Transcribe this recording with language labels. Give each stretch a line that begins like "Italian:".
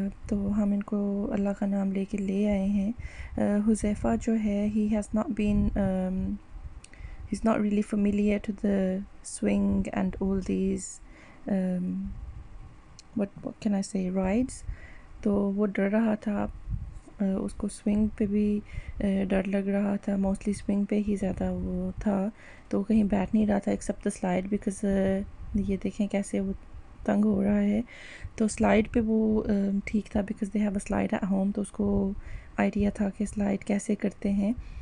Hindi: तो हम इनको अल्लाह का नाम लेके ले आए हैं.
English: हुज़ैफ़ा जो है, he has not been, he's not really familiar to the swing and all these, what can I say, rides.
Hindi: तो वो डर रहा था, उसको swing पे भी डर लग रहा था. mostly swing पे ही ज़्यादा वो था, तो कहीं बैठ नहीं रहा था
English: except the slide, because
Hindi: ये देखें कैसे वो तंग हो रहा है. तो स्लाइड पे वो ठीक था,
English: because they have a slide at home,
Hindi: तो उसको आइडिया था कि स्लाइड कैसे करते हैं.